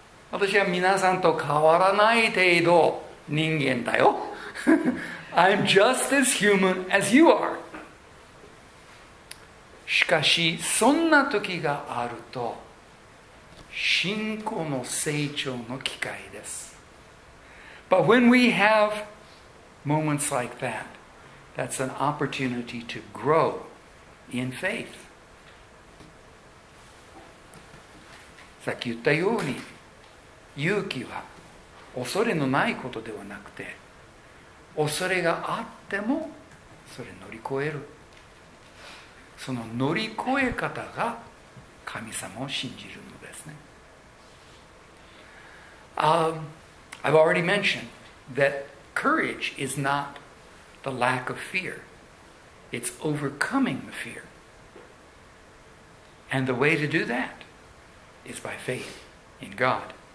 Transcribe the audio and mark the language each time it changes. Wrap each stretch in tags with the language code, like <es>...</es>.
<ja>私は皆さんと変わらない程度人間だよ。</ja> <en>I'm just as human as you are.</en> <ja>しかしそんな時があると信仰の成長の機会です。</ja> <en>But when we have moments like that, that's an opportunity to grow in faith.</en> <ja>さっき言ったように勇気は恐れのないことではなくて、恐れがあってもそれ乗り越える。その乗り越え方が神様を信じるのですね。</ja> <en>I've already mentioned that courage is not the lack of fear. It's overcoming the fear. And the way to do that is by faith in God.</en>